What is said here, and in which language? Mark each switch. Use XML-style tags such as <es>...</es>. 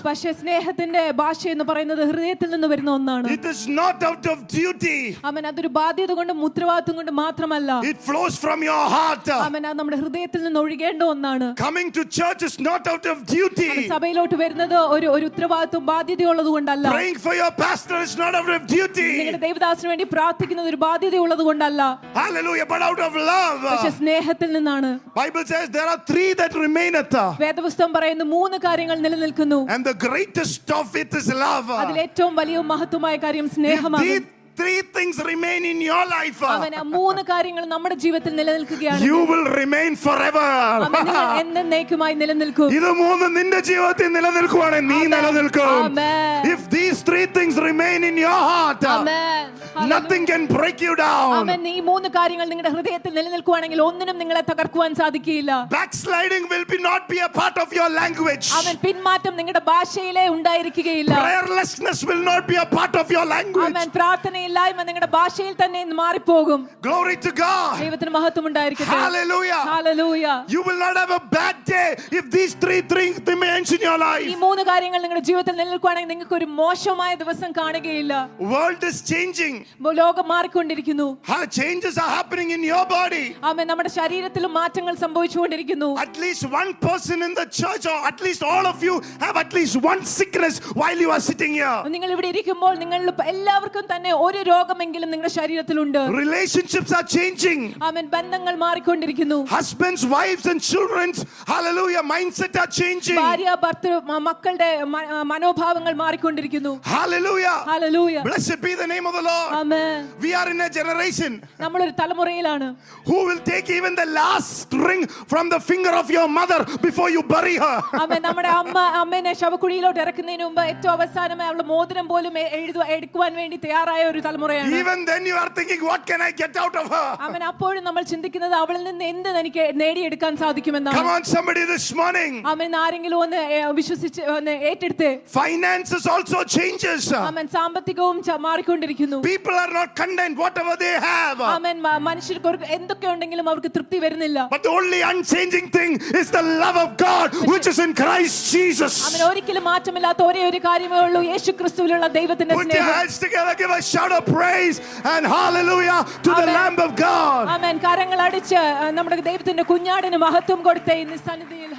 <ml>പക്ഷേ സ്നേഹത്തിന്റെ ഭാഷ എന്ന് പറയുന്നത് ഹൃദയത്തിൽ നിന്ന് വരുന്ന ഒന്നാണ്.</ml> <en>It is not out of duty.</en> <ml>അവൻ അതൊരു ബാധ്യത കൊണ്ടും ഉത്തരവാദിത്വം കൊണ്ടും മാത്രമല്ല.</ml> <en>It flows from your heart.</en> <ml>അവൻ അത് നമ്മുടെ ഹൃദയത്തിൽ നിന്ന് ഒഴുകേണ്ട ഒന്നാണ്.</ml> <en>Coming to church is not out of duty.</en> <ml>സഭയിലോട്ട് വരുന്നത് ഒരു ഉത്തരവാദിത്വം ബാധ്യതയുള്ളത് കൊണ്ടല്ല.</ml> <en>Praying for your pastor is not out of duty.</en> <ml>നിങ്ങളുടെ ദൈവദാസന് വേണ്ടി പ്രാർത്ഥിക്കുന്നത് ഒരു ബാധ്യതയുള്ളത് കൊണ്ടല്ല.</ml> <en>Hallelujah, but out of love.</en> <ml>പക്ഷേ സ്നേഹത്തിൽ നിന്നാണ്.</ml> <en>Bible says there are three that remaineth.</en> <ml>വേദപുസ്തകം പറയുന്നു മൂന്ന് കാര്യങ്ങൾ നിലനിൽക്കുന്നു.</ml> <en>And the greatest of it is love.</en> <ml>അതിലെ ഏറ്റവും വലിയ മഹത്തായ കാര്യം സ്നേഹമാണ്.</ml> <en>Three things remain in your life.</en> <ml>അവനെ മൂന്ന് കാര്യങ്ങൾ നമ്മുടെ ജീവിതത്തിൽ നിലനിൽക്കുകയാണ്.</ml> <en>You will remain forever.</en> <ml>അവനെ എന്നേക്കുമായി നിലനിൽക്കും. ഇത് മൂന്ന് നിന്റെ ജീവിതത്തിൽ നിലനിൽക്കുവാണ് നീ നിലനിൽക്കും.</ml> <en>If these three things remain in your heart. Nothing can break you down.</en> <ml>അവനെ ഈ മൂന്ന് കാര്യങ്ങൾ നിങ്ങളുടെ ഹൃദയത്തിൽ നിലനിൽക്കുവാണെങ്കിൽ ഒന്നിനും നിങ്ങളെ തകർക്കുവാൻ സാധിക്കില്ല.</ml> <en>Backsliding will be not be a part of your language.</en> <ml>അവൻ പിന്മാറ്റം നിങ്ങളുടെ ഭാഷയിലെ ഉണ്ടായിരിക്കുകയില്ല.</ml> <en>Prayerlessness will not be a part of your language.</en> <ml>അവൻ പ്രാർത്ഥന ഇല്ലായ്മ നിങ്ങളുടെ ഭാഷയിൽ തന്നെ മാറി പോകും.</ml> <en>Glory to God.</en> <ml>ദൈവത്തിന് മഹത്വം ഉണ്ടായിരിക്കട്ടെ.</ml> <en>Hallelujah. Hallelujah. You will not have a bad day if these three things remain in your life.</en> <ml>ഈ മൂന്ന് കാര്യങ്ങൾ നിങ്ങളുടെ ജീവിതത്തിൽ നിലനിൽക്കുവാണെങ്കിൽ നിങ്ങൾക്ക് ഒരു മോശമായ ദിവസം കാണുകയില്ല.</ml> <en>World is changing.</en> <ml>ലോകം മാറിക്കൊണ്ടിരിക്കുന്നു.</ml> <en>How changes are happening in your body.</en> <ml>ആമേ നമ്മുടെ ശരീരത്തിലും മാറ്റങ്ങൾ സംഭവിച്ചുകൊണ്ടിരിക്കുന്നു.</ml> <en>At least one person in the church or at least all of you have at least one sickness while you are sitting here.</en> <ml>നിങ്ങൾ ഇവിടെ ഇരിക്കുമ്പോൾ നിങ്ങൾ എല്ലാവർക്കും തന്നെ ഒരു രോഗമെങ്കിലും നിങ്ങളുടെ ശരീരത്തിൽ ഉണ്ട്.</ml> <en>Relationships are changing.</en> <ml>ആമേ ബന്ധങ്ങൾ മാറിക്കൊണ്ടിരിക്കുന്നു.</ml> <en>Husbands, wives and children. Hallelujah. Mindset are changing.</en> <ml>ഭാര്യ ഭർത്തൃ മക്കളുടെ മനോഭാവങ്ങൾ മാറിക്കൊണ്ടിരിക്കുന്നു.</ml> <en>Hallelujah. Hallelujah. Blessed be the name of the Lord.</en> <ml>ആമേ.</ml> <en>We are in a generation.</en> <ml>നമ്മൾ ഒരു തലമുറയിലാണ്.</ml> <en>Who will take even the last ring from the finger of your mother before you bury her?</en> <ml>ആമേ നമ്മുടെ അമ്മ അമ്മേനെ ശവക്കുഴിയിലോട്ട് ഇറക്കുന്നതിന് മുമ്പ് ഏറ്റവും അവസാനമായി അവളുടെ മോതിരം പോലും എടുക്കുവാൻ വേണ്ടി തയ്യാറായ ഒരു തലമുറയാണ്.</ml> <en>Even then you are thinking what can I get out of her?</en> <ml>ആമേ അപ്പോഴും നമ്മൾ ചിന്തിക്കുന്നത് അവളിൽ നിന്ന് എന്ത് എനിക്ക് നേടിയെടുക്കാൻ സാധിക്കുമെന്നാണ്.</ml> <en>Come on somebody this morning.</en> <ml>ആമേ ആരെങ്കിലും ഒന്ന് വിശ്വസിച്ച് ഒന്ന് ഏറ്റെടുത്ത്.</ml> <en>Finances also changes.</en> <ml>ആമേ സാമ്പത്തികവും മാറിക്കൊണ്ടിരിക്കുന്നു.</ml> <en>People are not content whatever they have.</en> <ml>ആമേ മനുഷ്യർക്ക് എന്തൊക്കെ ഉണ്ടെങ്കിലും അവർക്ക് തൃപ്തി വരുന്നില്ല.</ml> <en>But the only unchanging thing is the love of God which is in Christ Jesus.</en> <ml>ആമേ ഒരിക്കലും മാറ്റമില്ലാത്ത ഒരേ ഒരു കാര്യമേ ഉള്ളൂ യേശുക്രിസ്തുവിലുള്ള ദൈവത്തിന്റെ സ്നേഹം.</ml> <en>Put your hands together, give a shout of praise and hallelujah to the Lamb of God.</en> <ml>ആമേ കരങ്ങൾ അടിച്ച് നമ്മുടെ ദൈവത്തിന്റെ കുഞ്ഞാടിന് മഹത്വം കൊടുത്തേ ഈ സന്നിധിയിൽ.</ml>